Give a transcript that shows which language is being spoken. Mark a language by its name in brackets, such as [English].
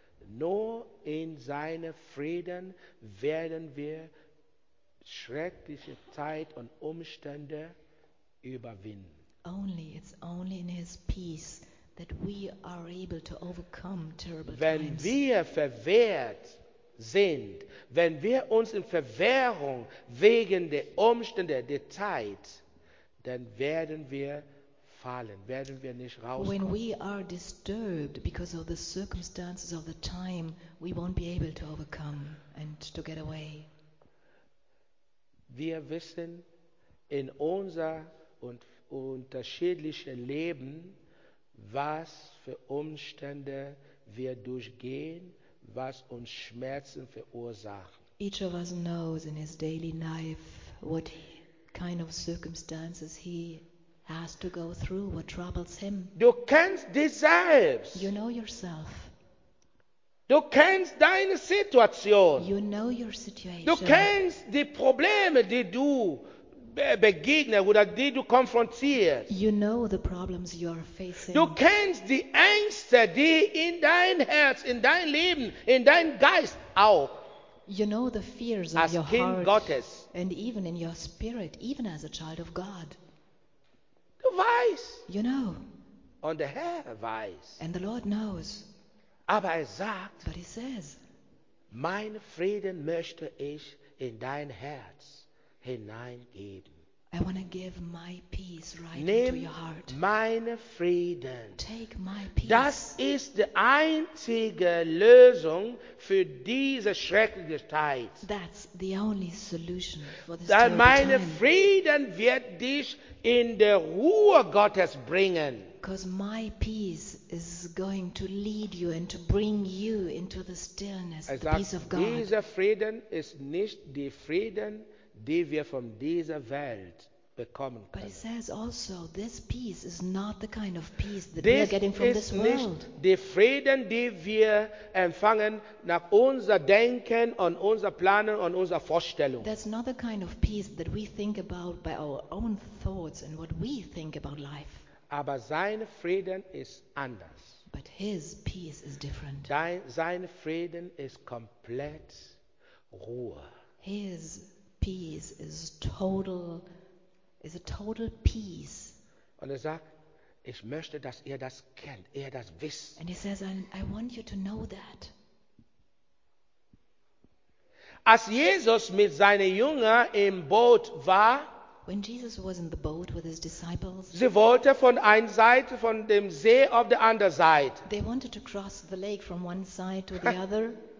[German] Nur in seinem Frieden werden wir schreckliche Zeit und Umstände überwinden. [English] It's only in his peace that we are able to overcome terrible times. [German] Wenn wir verwehrt sind, wenn wir uns in Verwehrung wegen der Umstände, der Zeit, dann werden wir fallen, werden wir nicht rauskommen. [English] When we are disturbed because of the circumstances of the time, we won't be able to overcome and to get away. [German] Wir wissen, in unser und unterschiedliche Leben, was für Umstände wir durchgehen, was uns Schmerzen verursachen. [English] Each of us knows in his daily life what kind of circumstances he has to go through, what troubles him. [German] Du kennst dich selbst. [English] You know yourself. [German] Du kennst deine Situation. [English] You know your situation. [German] Du kennst die Probleme, die du begegnen oder die du konfrontierst. [English] You know the problems you are facing. [German] Du kennst die Ängste, die in dein Herz, in dein Leben, in dein Geist auch. [English] You know the fears of your heart. [German] Als Kind Gottes. [English] And even in your spirit, even as a child of God. [German] Du weißt. [English] You know. [German] Und der Herr weiß. [English] And the Lord knows. [German] Aber sagt. [English] But he says. [German] Mein Frieden möchte ich in dein Herz hineingeben. [English] I want to give my peace right into your heart. [German] Nimm meine Frieden. [English] Take my peace. [German] Das ist die einzige Lösung für diese schreckliche Zeit. [English] That's the only solution for this terrible [German] meine [English] time. [German] Meine Frieden wird dich in der Ruhe Gottes bringen. [English] Because my peace is going to lead you and to bring you into the stillness, [German] ich [English] the peace of God. [German] Dieser Frieden ist nicht die Frieden, die wir von dieser Welt bekommen können. [English] But it says also, this peace is not the kind of peace that this we are getting from this world. [German] Das ist nicht die Frieden, die wir empfangen nach unser Denken und unser Planen und unser Vorstellung. [English] That's not the kind of peace that we think about by our own thoughts and what we think about life. [German] Aber sein Frieden ist anders. [English] But his peace is different. [German] Sein Frieden ist komplett Ruhe. [English] His peace is total, is a total peace. [German] Und sagt, ich möchte, dass ihr das kennt, ihr das wisst. [English] And he says, I want you to know that. [German] Als Jesus mit seinen Jüngern im Boot war, [English] when Jesus was in the boat with his disciples, [German] sie wollte von einer Seite von dem See auf die andere Seite. [English] They wanted to cross the lake from one side to the other.